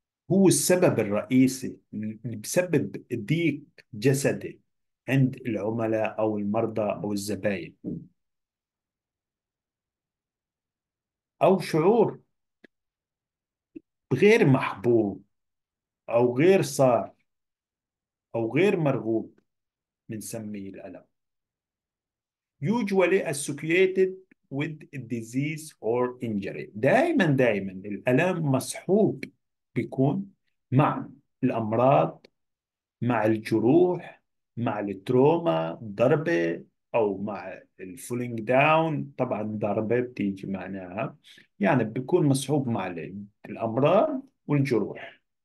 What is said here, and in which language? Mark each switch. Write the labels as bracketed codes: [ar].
[ar] هو السبب الرئيسي اللي بسبب ضيق جسدي عند العملاء أو المرضى أو الزبائن، أو شعور غير محبوب أو غير صار أو غير مرغوب بنسميه الألم. [en] Usually associated with disease or injury. [ar] دائما دائما الألم مصحوب بيكون مع الأمراض، مع الجروح، مع التروما، ضربة أو مع [en] الفولينج داون. [ar] طبعا ضربة بتيجي معناها، يعني بيكون مصحوب مع الأمراض والجروح.